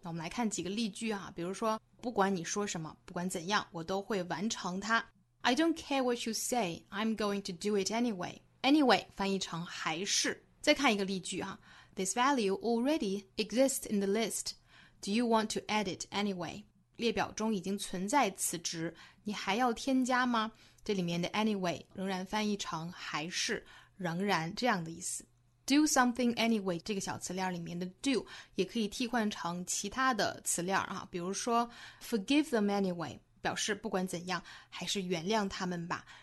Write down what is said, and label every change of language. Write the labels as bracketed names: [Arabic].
[Chinese] 那我们来看几个例句啊，比如说不管你说什么，不管怎样，我都会完成它。 [English] I don't care what you say, I'm going to do it anyway. [Chinese] Anyway 翻译成还是。再看一个例句啊， [English] This value already exists in the list, do you want to add it anyway? [Chinese] 列表中已经存在此值，你还要添加吗？这里面的 anyway 仍然翻译成还是，仍然这样的意思。 [English] Do something anyway [Chinese] 这个小词链里面的 do 也可以替换成其他的词链啊，比如说 [English] forgive them anyway [Chinese] 表示不管怎样还是原谅他们吧。